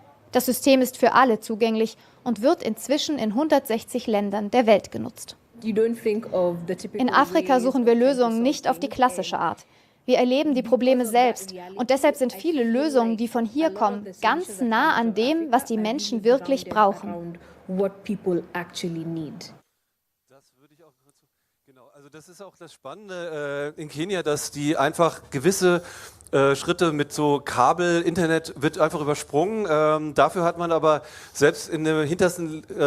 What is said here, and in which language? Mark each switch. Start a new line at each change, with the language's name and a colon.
German: Das System ist für alle zugänglich und wird inzwischen in 160 Ländern der Welt genutzt. In Afrika suchen wir Lösungen nicht auf die klassische Art. Wir erleben die Probleme selbst und deshalb sind viele Lösungen, die von hier kommen, ganz nah an dem, was die Menschen wirklich brauchen.
English: What people actually need.
German: Das würde ich auch dazu, genau. Also das ist auch das Spannende in Kenia, dass die einfach gewisse Schritte mit so Kabel, Internet wird einfach übersprungen. Dafür hat man aber selbst in der hintersten